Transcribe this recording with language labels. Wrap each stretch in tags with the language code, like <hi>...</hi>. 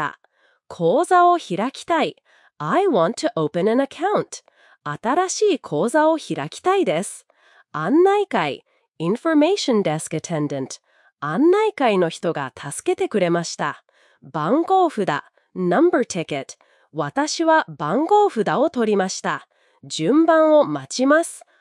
<ja>私は銀行に行きました。口座を開きたい。</ja> <en>I want to open an account.</en> <ja>新しい口座を開きたいです。案内会,</ja> <en>information desk attendant.</en> <ja>案内会の人が助けてくれました。番号札,</ja> <en>number ticket.</en> <ja>私は番号札を取りました。順番を待ちます。</ja>